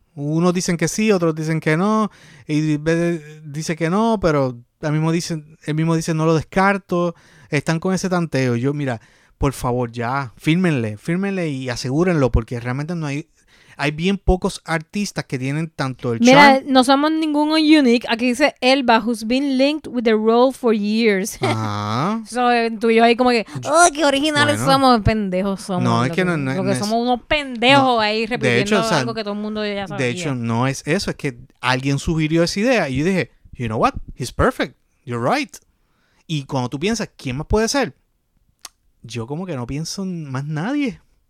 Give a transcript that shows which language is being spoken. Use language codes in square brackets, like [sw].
[es] Unos dicen que sí, otros dicen que no. Idris dice que no, pero él mismo dice no lo descarto. Están con ese tanteo. Yo, mira, por favor, ya, fírmenle y asegúrenlo, porque realmente no hay... Hay bien pocos artistas que tienen tanto el charm. Mira, no somos ninguno unique. Aquí dice [en] Elba, who's been linked with the role for years. [es] Ajá. So, tú y yo ahí como que, ¡oh, qué originales bueno, somos! Pendejos somos. No, es que no. Porque no, somos unos pendejos no, ahí repitiendo hecho, algo, o sea, que todo el mundo ya sabía. De hecho, no es eso. Es que alguien sugirió esa idea. Y yo dije, [en] you know what? He's perfect. You're right. [es] Y cuando tú piensas, ¿quién más puede ser? Yo como que no pienso en más nadie.